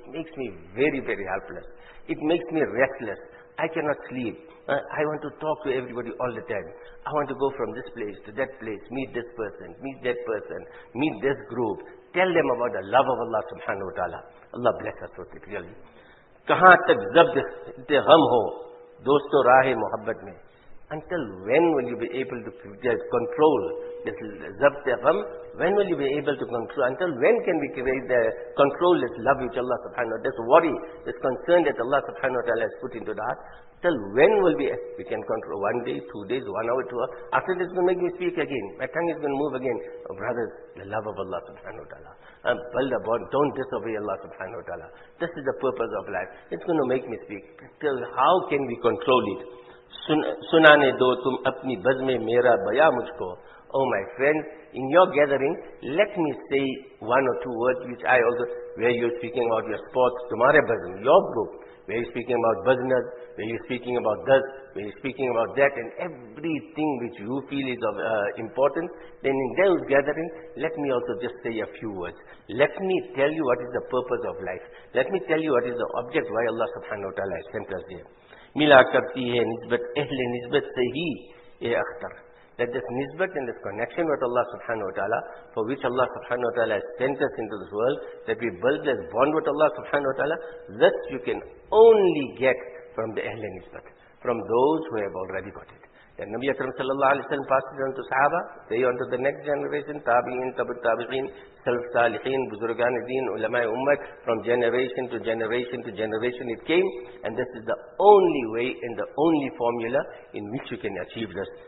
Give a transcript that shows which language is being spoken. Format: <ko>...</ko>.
<en>It makes me very, very helpless. It makes me restless. I cannot sleep. I want to talk to everybody all the time. I want to go from this place to that place, meet this person, meet that group, Tell them about the love of Allah subhanahu wa ta'ala. Allah bless us with it, really.</en> <ur>کہاں تک ضبط ہم ہو دوستو راہ محبت میں.</ur> <en>Until when will you be able to control this</en> <ur>ضبط غم?</ur> <en>When will you be able to control? Until when can we control this love which Allah subhanahu wa ta'ala, this worry, this concern that Allah subhanahu wa ta'ala has put into the heart? Till when will we can control? One day, 2 days, 1 hour, 2 hours? After this, will make me speak again. My tongue is going to move again. Oh, brothers, the love of Allah subhanahu wa ta'ala. Don't disobey Allah subhanahu wa ta'ala. This is the purpose of life. It's going to make me speak. Till how can we control it?</en> <ur>سنانے دو تم اپنی بزم میرا بیا مجھ کو.</ur> <en>Oh my friend, in your gathering, let me say one or two words which I also, where you're speaking about your sports,</en> <ur>tumhare bazm,</ur> <en>your group, where you're speaking about business, where you're speaking about this, where you're speaking about that, and everything which you feel is of importance, then in those gathering, let me also just say a few words. Let me tell you what is the purpose of life. Let me tell you what is the object why Allah subhanahu wa ta'ala has sent us here.</en> <ur>ملا کرتی ہے نسبت اہل نسبت سے ہی اے Akhtar.</ur> <en>That this nisbat and this connection with Allah subhanahu wa ta'ala, for which Allah subhanahu wa ta'ala has sent us into this world, that we build this bond with Allah subhanahu wa ta'ala, this you can only get from the ahl nisbat, from those who have already got it. Then Nabi Akram sallallahu alayhi wa sallam passed it on to sahaba, they on to the next generation, tabi'in, tabi'in, tabi'in, salih-salihin, buzurgan-e-deen, ulama-e-ummat, from generation to generation to generation it came, and this is the only way and the only formula in which you can achieve this.</en>